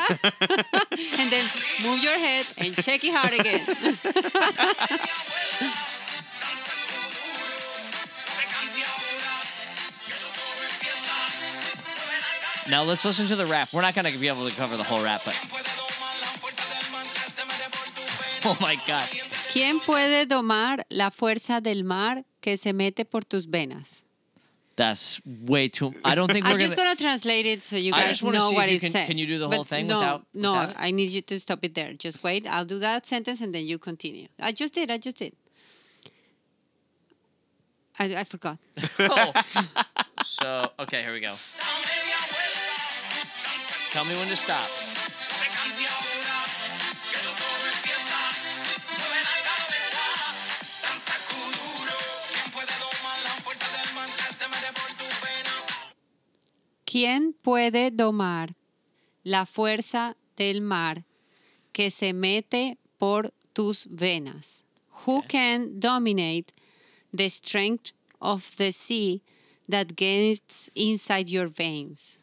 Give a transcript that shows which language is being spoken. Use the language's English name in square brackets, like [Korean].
[English] And then move your head and shake it hard again. Now let's listen to the rap. We're not going to be able to cover the whole rap, but... Oh, my God. [Spanish] ¿Quién puede domar la fuerza del mar que se mete por tus venas? [English] That's way too... I don't think we're going to... I'm just going to translate it so you guys know what it says. Can you do the whole thing without... I need you to stop it there. Just wait. I'll do that sentence and then you continue. I just did. I forgot. So, okay, here we go. Tell me when to stop. [Spanish] ¿Quién puede domar la fuerza del mar que se mete por tus venas? [English] Who can dominate the strength of the sea that gets inside your veins?